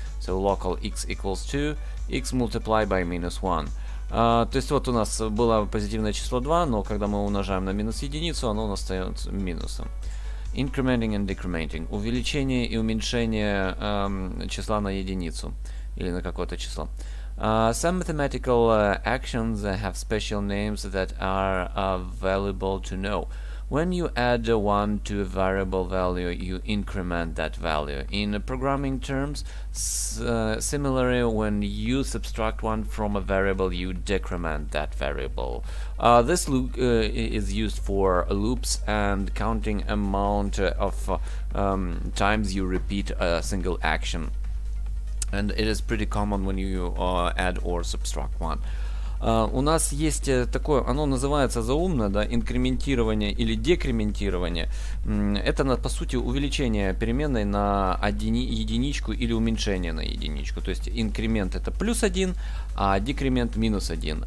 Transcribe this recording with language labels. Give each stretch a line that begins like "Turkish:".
English: So local x equals 2, x multiply by minus 1.
Russian: То есть вот у нас было позитивное число 2, но когда мы умножаем на минус 1, оно у нас остается минусом.
English: Incrementing and decrementing.
Russian: Увеличение и уменьшение числа на единицу или на какое-то число.
English: Some mathematical actions have special names that are valuable to know. When you add one to a variable value, you increment that value. In programming terms, similarly, when you subtract one from a variable, you decrement that variable. This loop is used for loops and counting amount of times you repeat a single action. And it is pretty common when you add or subtract one.
Russian: У нас есть такое, оно называется заумно, да, инкрементирование или декрементирование. Это, по сути, увеличение переменной на единичку или уменьшение на единичку. То есть инкремент это плюс один, а декремент минус один.